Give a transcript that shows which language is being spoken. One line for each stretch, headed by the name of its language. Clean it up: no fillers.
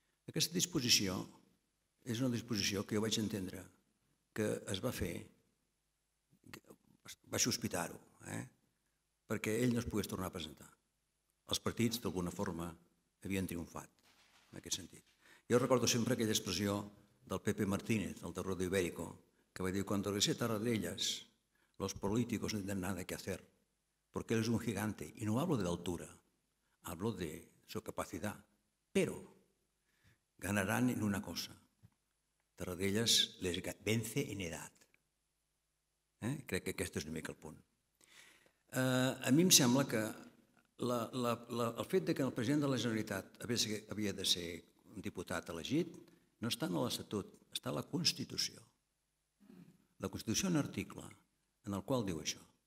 Catalan: Aquesta disposició és una disposició que jo vaig entendre que es va fer, va sospitar-ho, perquè ell no es pogués tornar a presentar. Els partits, d'alguna forma, havien triomfat en aquest sentit. Jo recordo sempre aquella expressió del Pepe Martínez, el terror d'Ibérico, que va dir, quan
Spanish: regresé a Tarradellas, los políticos no tienen nada que hacer, porque él es un gigante. Y no hablo de altura, hablo de su capacidad. Pero ganarán en una cosa. Tarradellas les vence en edad.
Catalan: Crec que aquest és una mica el punt. A mi em sembla que el fet que el president de la Generalitat havia de ser un diputat elegit no està en l'Estatut, està a la Constitució. La Constitució és un article en el qual diu això.